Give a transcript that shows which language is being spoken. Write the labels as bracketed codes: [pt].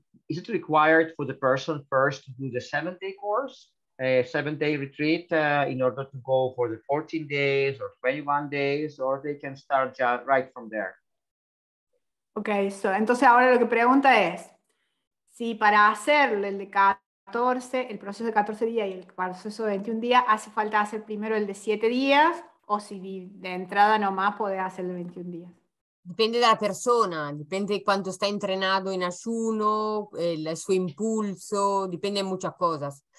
[en] Is it required for the person first to do the 7-day course, a 7-day retreat in order to go for the 14 days or 21 days, or they can start right from there? [es] Okay, so entonces ahora lo que pregunta es, si para hacer el de 14, el proceso de 14 días y el proceso de 21 días, hace falta hacer primero el de 7 días, o si de entrada nomás puede hacer el de 21 días. [it] Dipende dalla persona, dipende di quanto sta entrenato in ayuno, il suo impulso, dipende da molte cose.